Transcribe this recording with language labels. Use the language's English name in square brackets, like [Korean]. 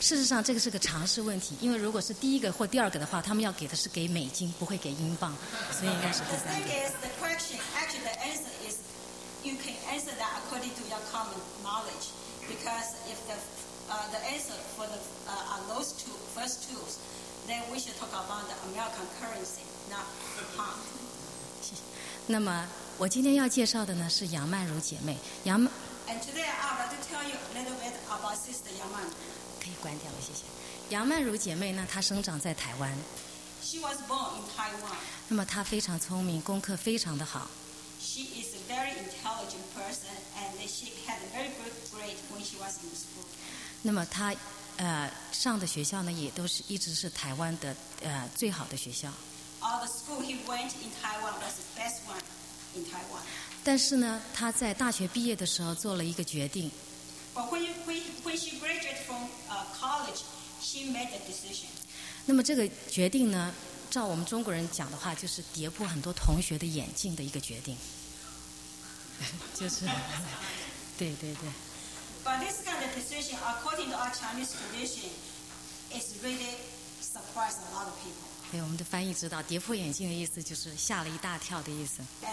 [Chinese] 事实上这个是个常识问题，因为如果是第一个或第二个的话，他们要给的是给美金，不会给英镑，所以应该是第三个。 [English] The thing is, the question, actually the answer is, you can answer that according to your common knowledge. Because if the answer for are those two, first two, then we should talk about the American currency, not pound. [Chinese] 那么我今天要介绍的呢是杨曼如姐妹。杨曼。 [English] And today I want to tell you a little bit about Sister 杨曼如。 [Chinese] 可以关掉了，谢谢。杨曼如姐妹呢，她生长在台湾。 [English] She was born in Taiwan. [Chinese] 那么她非常聪明，功课非常的好。 [English] She is a very intelligent person, and she had a very good grade when she was in school. [Chinese] 那么她上的学校呢，也都是一直是台湾的最好的学校。 [English] All the school he went in Taiwan was the best one. In Taiwan. [Chinese] 但是呢，他在大学毕业的时候做了一个决定。 [English] But when she graduated from college, she made a decision. [Chinese] 那么这个决定呢，照我们中国人讲的话，就是跌破很多同学的眼镜的一个决定。就是，对对对。 [English] But this kind of decision, according to our Chinese tradition, is really surprised a lot of people. [Chinese] 对，我们的翻译知道，跌破眼镜的意思就是吓了一大跳的意思。